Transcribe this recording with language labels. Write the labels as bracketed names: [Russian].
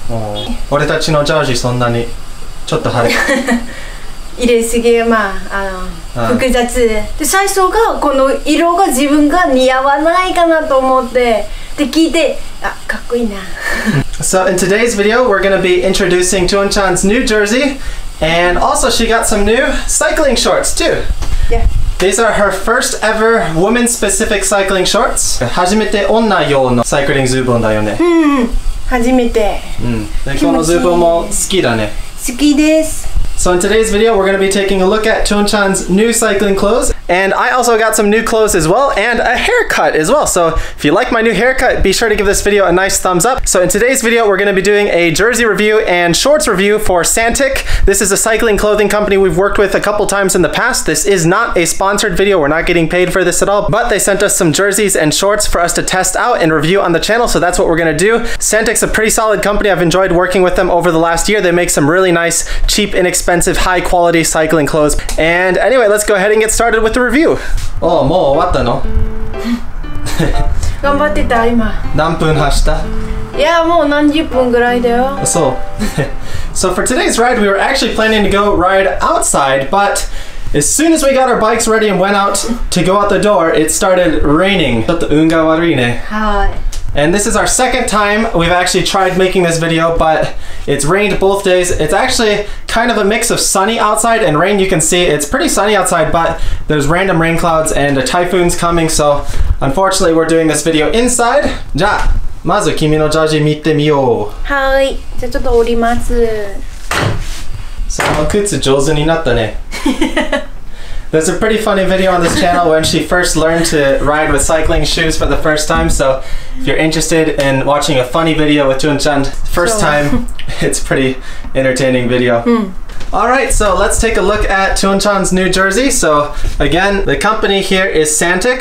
[Japanese] うん、俺たちのジャージそんなにちょっと派手。入れすぎ、まあ、複雑で最初がこの色が自分が似合わないかなと思ってで聞いて、あ、かっこいいな。 [English] So in today's video, we're gonna be introducing Chun Chan's new jersey. And also she got some new cycling shorts too. Yeah. These are her first ever woman specific cycling shorts. [Japanese] 初めて女用のサイクリングズボンだよね。うん、初めて。うん、このズボンも好きだね。好きです。 [English] So in today's video, we're going to be taking a look at Chun Chan's new cycling clothes. And I also got some new clothes as well, and a haircut as well. So if you like my new haircut, be sure to give this video a nice thumbs up. So in today's video, we're going to be doing a jersey review and shorts review for Santic. This is a cycling clothing company we've worked with a couple times in the past. This is not a sponsored video. We're not getting paid for this at all. But they sent us some jerseys and shorts for us to test out and review on the channel. So that's what we're going to do. Santic's a pretty solid company. I've enjoyed working with them over the last year. They make some really nice, cheap, inexpensive, high quality cycling clothes. And anyway, let's go ahead and get started with the review. [Japanese] Oh, もう終わったの？頑張ってた今。何分走った？いや、もう何十分ぐらいだよ。そう。 [English] So for today's ride, we were actually planning to go ride outside, but as soon as we got our bikes ready and went out to go out the door, it started raining. [Japanese] ちょっと運が悪いね。はい。 [English] And this is our second time we've actually tried making this video, but it's rained both days. It's actually kind of a mix of sunny outside and rain. You can see it's pretty sunny outside, but there's random rain clouds and a typhoon's coming. So unfortunately, we're doing this video inside. [Japanese] じゃあ、まず君のジャージ見てみよう。はい。じゃあちょっと降ります。その靴上手になったね。 [English] There's a pretty funny video on this channel when she first learned to ride with cycling shoes for the first time. So if you're interested in watching a funny video with Chun Chan first time, it's a pretty entertaining video. Alright, so let's take a look at Chun Chan's new jersey. So again, the company here is Santic.